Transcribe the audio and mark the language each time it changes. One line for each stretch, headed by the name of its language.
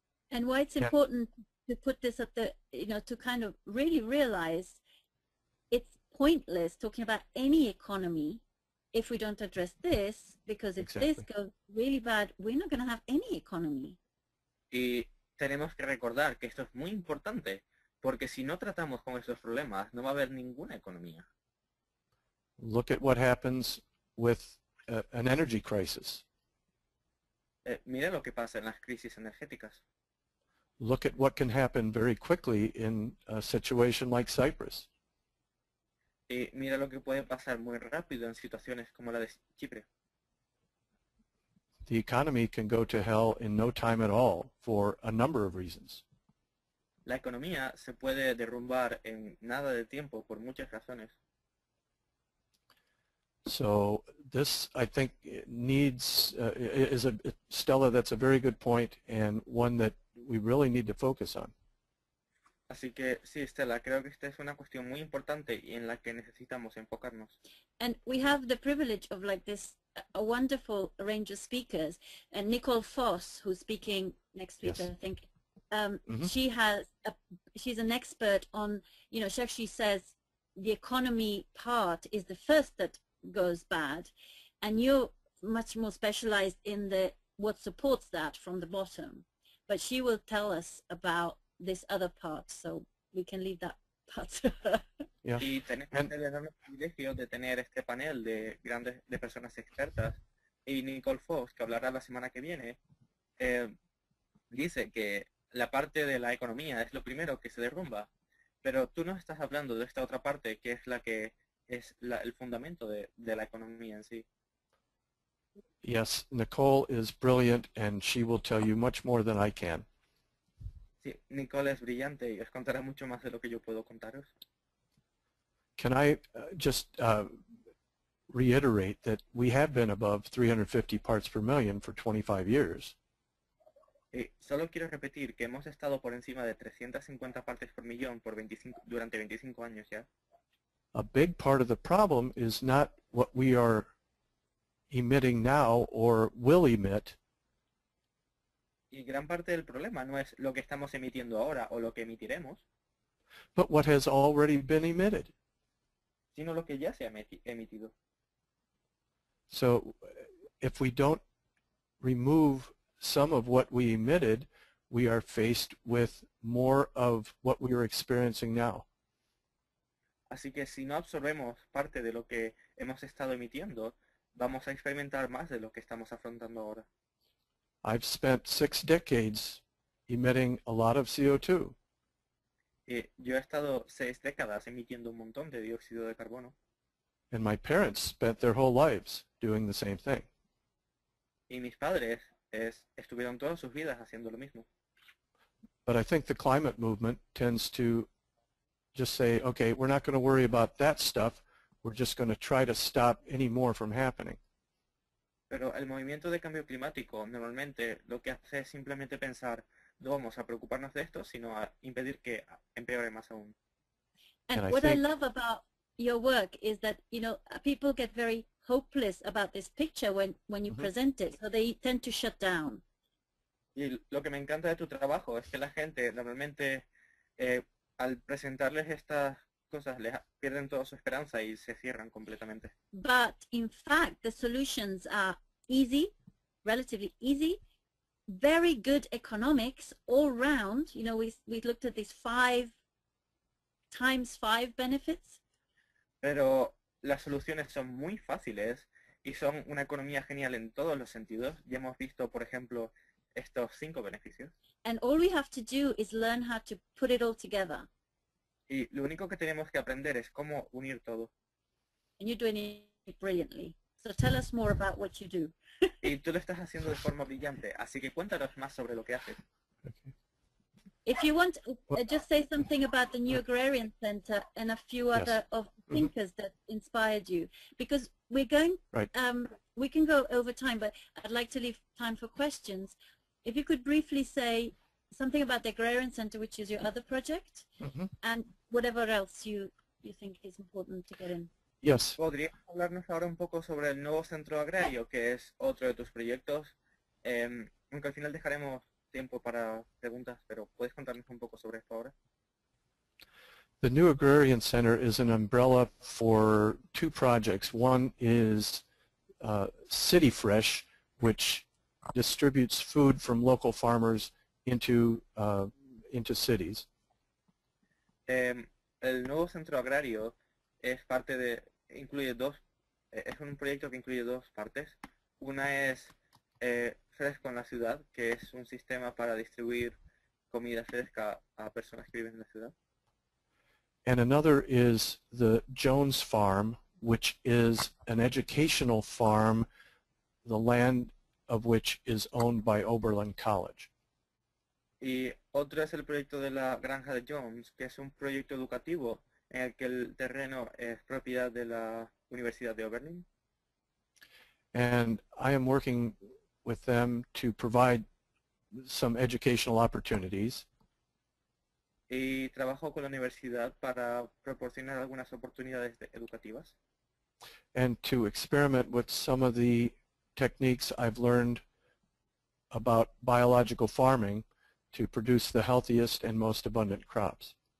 English: And why it's important to put this at the, you know, to kind of really realize it's pointless talking about any economy if we don't address this, because if this goes really bad, we're not going to have any economy.
Spanish: Y tenemos que recordar que esto es muy importante, porque si no tratamos con estos problemas, no va a haber ninguna economía.
English: Look at what happens with an energy crisis.
Spanish: Mira lo que pasa en las crisis energéticas.
English: Look at what can happen very quickly in a situation like Cyprus.
Spanish: Y mira lo que puede pasar muy rápido en situaciones como la de Chipre.
English: The economy can go to hell in no time at all for a number of reasons.
Spanish: La economía se puede derrumbar en nada de tiempo por muchas razones.
English: So this, I think, needs is a Stella. That's a very good point and one that we really need to focus on.
Spanish: Así que sí, Stella, creo que esta es una cuestión muy importante y en la que necesitamos enfocarnos.
English: And we have the privilege of like this a wonderful range of speakers, and Nicole Foss, who's speaking next week, yes. I think. She's an expert on, you know, she actually says the economy part is the first that goes bad, and you're much more specialized in the what supports that from the bottom. But she will tell us about this other part, so we can leave that part. Yeah.
Spanish: Y tenemos el enorme privilegio de tener este panel de grandes de personas expertas, y Nicole Foss, que hablará la semana que viene, dice que la parte de la economía es lo primero que se derrumba, pero tú no estás hablando de esta otra parte que es la que es el fundamento de la economía en sí.
English: Yes, Nicole is brilliant and she will tell you much more than I can.
Spanish: Sí, Nicole es brillante y os contará mucho más de lo que yo puedo contaros.
English: Can I just reiterate that we have been above 350 parts per million for 25 years.
Spanish: Solo quiero repetir que hemos estado por encima de 350 partes por millón por 25, durante 25 años ya.
English: A big part of the problem is not what we are emitting now or will emit.
Spanish: Y gran parte del problema no es lo que estamos emitiendo ahora o lo que emitiremos.
English: But what has already been emitted.
Spanish: Sino lo que ya se ha emitido.
English: So if we don't remove some of what we emitted, we are faced with more of what we are experiencing now.
Spanish: Así que si no absorbemos parte de lo que hemos estado emitiendo, vamos a experimentar más de lo que estamos afrontando ahora.
English: I've spent 6 decades emitting a lot of CO2.
Spanish: Yo he estado 6 décadas emitiendo un montón de dióxido de carbono.
English: And my parents spent their whole lives doing the same thing.
Spanish: Y mis padres estuvieron todas sus vidas haciendo lo mismo.
English: But I think the climate movement tends to just say, okay, we're not going to worry about that stuff. We're just going to try to stop any more from happening.
Spanish: Pero el movimiento de cambio climático normalmente lo que hace es simplemente pensar, no vamos a preocuparnos de esto, sino a impedir que empeore más aún.
English: And what I love about your work is that, you know, people get very hopeless about this picture when you present it, so they tend to shut down.
Spanish: Y lo que me encanta de tu trabajo es que la gente normalmente al presentarles estas cosas les pierden toda su esperanza y se cierran completamente.
English: But in fact, the solutions are easy, relatively easy, very good economics all round. You know, we looked at these 5x5 benefits.
Spanish: Pero las soluciones son muy fáciles y son una economía genial en todos los sentidos. Ya hemos visto, por ejemplo, estos 5 beneficios.
English: And all we have to do is learn how to put it all together.
Spanish: Y lo único que tenemos que aprender es cómo unir todo.
English: And you're doing it brilliantly. So tell us more about what you do.
Spanish: Y tú lo estás haciendo de forma brillante, así que cuéntanos más sobre lo que haces.
English: If you want, just say something about the New Agrarian Center and a few other of thinkers that inspired you. Because we're going, we can go over time, but I'd like to leave time for questions. If you could briefly say something about the Agrarian Center, which is your other project, and whatever else you think is important to get in. Yes.
Spanish: ¿Podrías hablarnos ahora un poco sobre el nuevo centro agrario, que es otro de tus proyectos? Aunque al final dejaremos tiempo para preguntas, pero ¿puedes contarnos un poco sobre esto ahora?
English: The New Agrarian Center is an umbrella for 2 projects. One is City Fresh, which distributes food from local farmers into cities.
Spanish: El nuevo centro agrario es parte de es un proyecto que incluye 2 partes. Una es Fresco en la ciudad, que es un sistema para distribuir comida fresca a personas que viven en la ciudad.
English: And another is the Jones Farm, which is an educational farm, the land of which is owned by Oberlin College.
Spanish: Y otro es el proyecto de la granja de Jones, que es un proyecto educativo en el que el terreno es propiedad de la Universidad de Oberlin.
English: And I am working with them to provide some educational opportunities.
Spanish: Y trabajo con la universidad para proporcionar algunas oportunidades educativas.
English: And to experiment with some of the techniques I've learned about biological farming to produce the healthiest and most abundant crops.